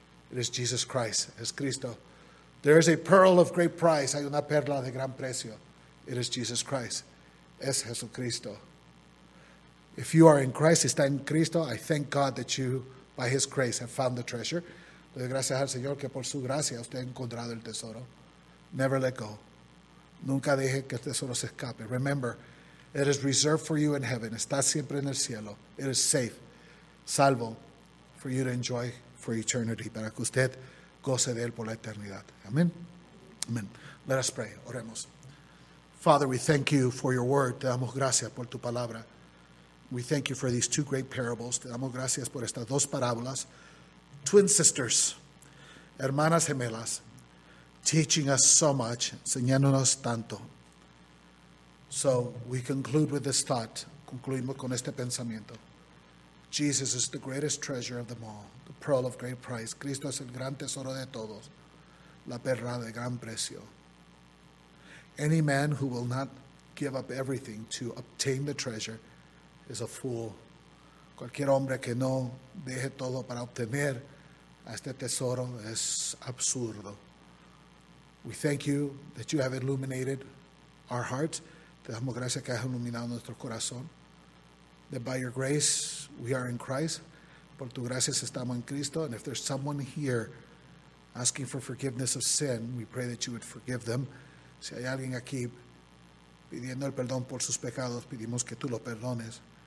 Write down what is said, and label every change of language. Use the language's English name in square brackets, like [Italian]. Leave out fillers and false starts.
[English] It is Jesus Christ. [Spanish] Es Cristo. [English] There is a pearl of great price. [Spanish] Hay una perla de gran precio. [English] It is Jesus Christ. [Spanish] Es Jesucristo. [English] If you are in Christ, [Spanish] está en Cristo, [English] I thank God that you, by His grace, have found the treasure. [Spanish] Le doy gracias al Señor que por su gracia usted ha encontrado el tesoro. [English] Never let go. [Spanish] Nunca deje que el tesoro se escape. [English] Remember, it is reserved for you in heaven. [Spanish] Está siempre en el cielo. [English] It is safe, salvo, for you to enjoy for eternity. [Spanish] Para que usted goce de él por la eternidad. [English] Amen. Amen. Let us pray. [Spanish] Oremos. [English] Father, we thank you for your word. [Spanish] Te damos gracias por tu palabra. [English] We thank you for these two great parables. [Spanish] Te damos gracias por estas dos parábolas. [English] Twin sisters, [Spanish] hermanas gemelas, [English] teaching us so much, [Spanish] enseñándonos tanto. [English] So we conclude with this thought. [Spanish] Concluimos con este pensamiento. [English] Jesus is the greatest treasure of them all, the pearl of great price. [Spanish] Cristo es el gran tesoro de todos, la perla de gran precio. [English] Any man who will not give up everything to obtain the treasure is a fool. [Spanish] Cualquier hombre que no deje todo para obtener este tesoro es absurdo. [English] We thank you that you have illuminated our hearts. [Spanish] Te damos gracias que has iluminado nuestro corazón. [English] That by your grace we are in Christ. [Spanish] Por tu gracia estamos en Cristo. [English] And if there's someone here asking for forgiveness of sin, we pray that you would forgive them. [Spanish] Si hay alguien aquí pidiendo el perdón por sus pecados, pedimos que tú lo perdones.